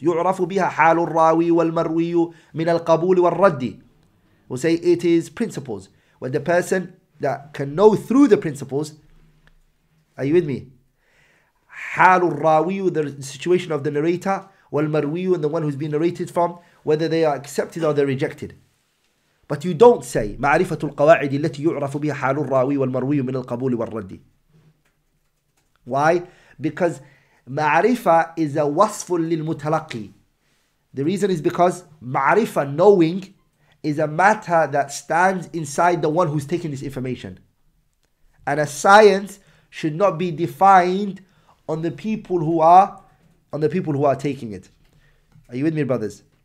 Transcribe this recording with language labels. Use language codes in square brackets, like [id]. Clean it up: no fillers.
[ar] يعرف بها حال الراوي والمروي من القبول والرد. [en] We'll say it is principles. When the person that can know through the principles, are you with me? [ar] حال الراوي, [en] the situation of the narrator, [ar] والمرويو, [en] and the one who's been narrated from, whether they are accepted or they're rejected. But you don't say [ar] معرفة القواعد التي يعرف بها حال الراوي والمرويو من القبول والرد. [en] Why? Because معرفة is a [ar] وصف للمتلقي. [en] The reason is because معرفة, knowing, is a matter that stands inside the one who's taking this information. And a science should not be defined on the people who are taking it. Are you with me, brothers?